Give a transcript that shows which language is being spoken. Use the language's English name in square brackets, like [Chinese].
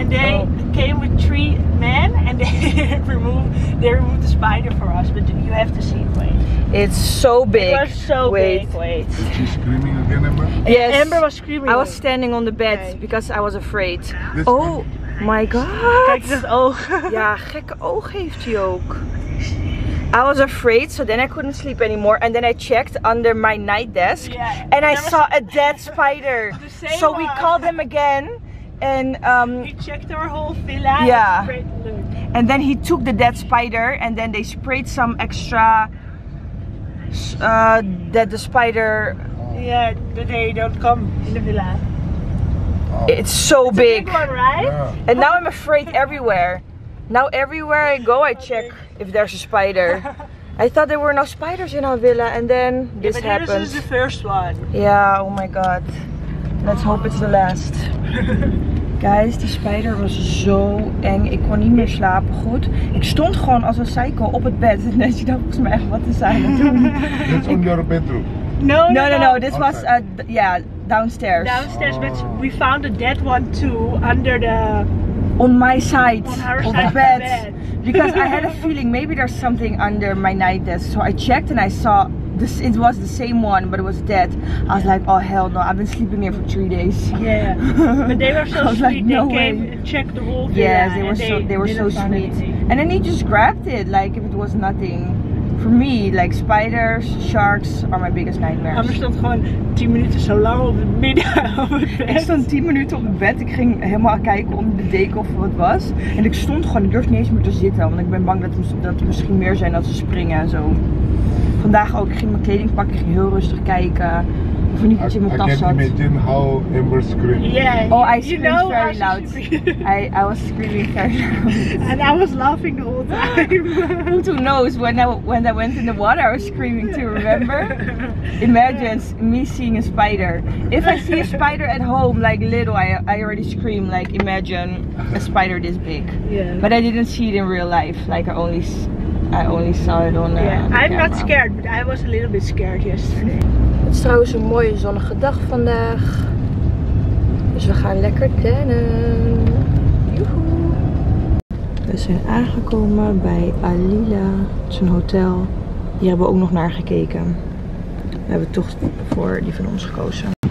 [English] And they came with three men and they removed the spider for us. But you have to see it, wait. It's so big. It was so big, wait. Is she screaming again, Amber? Yes. Amber was screaming. I was standing on the bed because I was afraid. Oh my god. [Dutch] Kijk, dit oog. Ja, gekke oog heeft hij ook. [English] I was afraid, so then I couldn't sleep anymore. And then I checked under my night desk and I saw a dead spider. So we called him again and he checked our whole villa. Yeah. And then he took the dead spider and then they sprayed some extra that the spider. Yeah, that they don't come in the villa. It's so big. It's a big one, right? Yeah. And now I'm afraid everywhere. Now everywhere I go, I check if there's a spider. I thought there were no spiders in our villa, and then this happened. Yeah, but this is the first one. Yeah, oh my god. Let's hope it's the last. [Dutch] Guys, die spider was zo eng. Ik kon niet meer slapen goed. Ik stond gewoon als een psycho op het bed. En dan dacht volgens mij echt, wat is hij aan het doen? [English] That's on your bedroom. No. This was, downstairs. Downstairs, but we found a dead one too, under the... On my side, on the bed. Because I had a feeling maybe there's something under my night desk. So I checked and I saw this. It was the same one, but it was dead. I was like, oh hell no, I've been sleeping here for 3 days. Yeah, but they were so sweet. Like, no, they came and checked the wall. Yes, they were so sweet. And then he just grabbed it, like if it was nothing. For me, like spiders, sharks are my biggest nightmares. [Dutch] Amber stond gewoon 10 minuten zo lang op het midden op het bed. Ik stond 10 minuten op het bed. Ik ging helemaal kijken onder de deken of wat was. En ik stond gewoon, ik durfde niet eens meer te zitten. Want ik ben bang dat er misschien meer zijn dat ze springen en zo. Vandaag ook, ik ging mijn kleding pakken, ik ging heel rustig kijken. Of niet dat je in mijn tas zat. [English] I can't imagine how Amber screamed. Yeah, oh, I screamed very loud. I was screaming very loud. And I was laughing the whole time. Who knows, when I went in the water, I was screaming too, remember? Imagine me seeing a spider. If I see a spider at home, like little, I already scream. Like, imagine a spider this big. Yeah. But I didn't see it in real life. Like, I only saw it on the camera. I'm not scared, but I was a little bit scared yesterday. [Dutch] Het is trouwens een mooie zonnige dag vandaag. Dus we gaan lekker tennen. Joehoe. We zijn aangekomen bij Alila. Het is een hotel. Hier hebben we ook nog naar gekeken. We hebben toch voor die van ons gekozen.